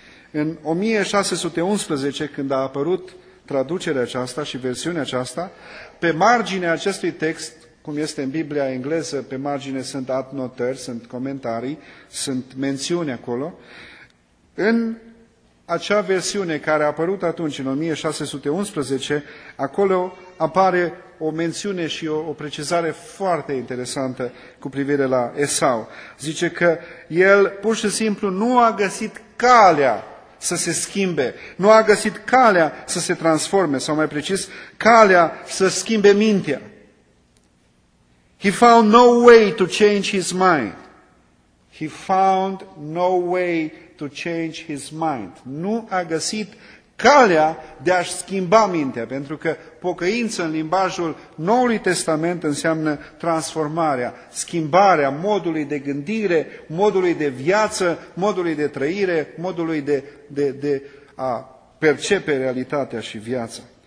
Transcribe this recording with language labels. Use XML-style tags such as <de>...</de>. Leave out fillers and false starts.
<ro>În 1611, când a apărut traducerea aceasta și versiunea aceasta, pe marginea acestui text, cum este în Biblia engleză, pe margine sunt adnotări, sunt comentarii, sunt mențiuni acolo, în acea versiune care a apărut atunci, în 1611, acolo apare o mențiune și o precizare foarte interesantă cu privire la Esau. Zice că el pur și simplu nu a găsit calea să se schimbe, nu a găsit calea să se transforme, sau mai precis, calea să schimbe mintea.</ro> <en>He found no way to change his mind. He found no way to change his mind.</en> <ro>Nu a găsit calea de a-și schimba mintea, pentru că pocăință în limbajul Noului Testament înseamnă transformarea, schimbarea modului de gândire, modului de viață, modului de trăire, modului de a percepe realitatea și viața.</ro>